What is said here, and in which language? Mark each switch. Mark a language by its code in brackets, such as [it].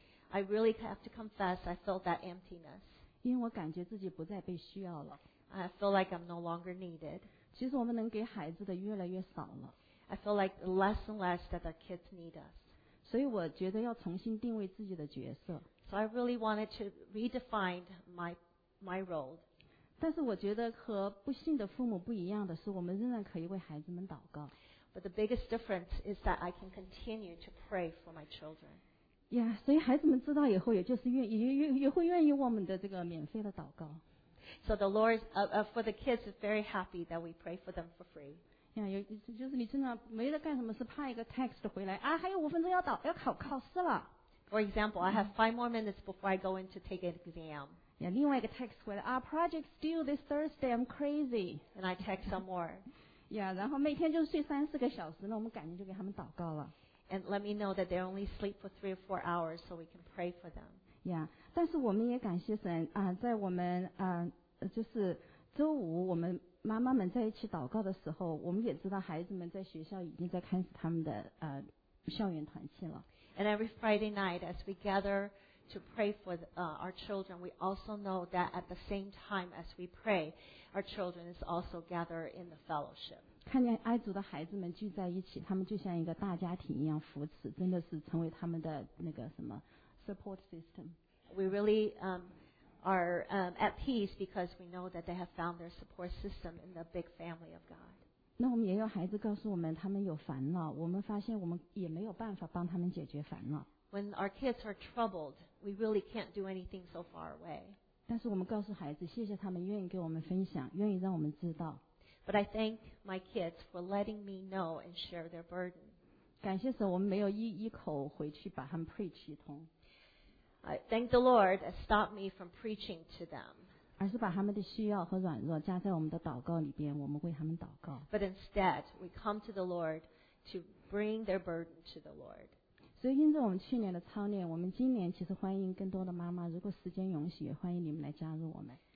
[en] I really have to confess, I felt that emptiness. [zh] 因为我感觉自己不再被需要了。 [en] I feel like I'm no longer needed. [zh] 其实我们能给孩子的越来越少了。 [en] I feel like less and less that our kids need us. [zh] 所以我觉得要重新定位自己的角色。 [en] So I really wanted to redefine my role. [zh] 但是我觉得和不信的父母不一样的是，我们仍然可以为孩子们祷告。 [en] But the biggest difference is that I can continue to pray for my children. [zh] Yeah, 所以孩子们知道以后，也就是愿也会愿意我们的这个免费的祷告。 [en] So the Lord for the kids is very happy that we pray for them for free. [zh] Yeah, 就是你经常没得干什么事，派一个 text 回来啊，还有五分钟要考试了。 [en] For example, I have 5 more minutes before I go in to take an exam. Yeah, [zh] 另外一个 text 回来 [en] ，Our project's due this Thursday. I'm crazy. And I text some more. [zh] Yeah, 然后每天就睡三四个小时，那我们赶紧就给他们祷告了。 [en] And let me know that they only sleep for 3 or 4 hours, so we can pray for them. [zh] Yeah, 但是我们也感谢神啊，在我们就是周五我们妈妈们在一起祷告的时候，我们也知道孩子们在学校已经在开始他们的校园团契了。 [en] And every Friday night, as we gather. To pray for our children, we also know that at the same time as we pray, our children is also gathered in the fellowship. [zh] 看见爱主的孩子们聚在一起，他们就像一个大家庭一样扶持，真的是成为他们的那个什么 [en] support system. We really are at peace because we know that they have found their support system in the big family of God. [zh] 那我们也有孩子告诉我们，他们有烦恼，我们发现我们也没有办法帮他们解决烦恼。 [en] When our kids are troubled, we really can't do anything so far away. [zh] 但是我们告诉孩子，谢谢他们愿意给我们分享，愿意让我们知道。 [en] But I thank my kids for letting me know and share their burden. [zh] 感谢神，我们没有一口回去把他们 preach 一通。 [en] I thank the Lord that stopped me from preaching to them. [zh] 而是把他们的需要和软弱加在我们的祷告里边，我们为他们祷告。 [en] But instead, we come to the Lord to bring their burden to the Lord. [zh] 所以因着我们去年的操练，我们今年其实欢迎更多的妈妈，如果时间允许，也欢迎你们来加入我们。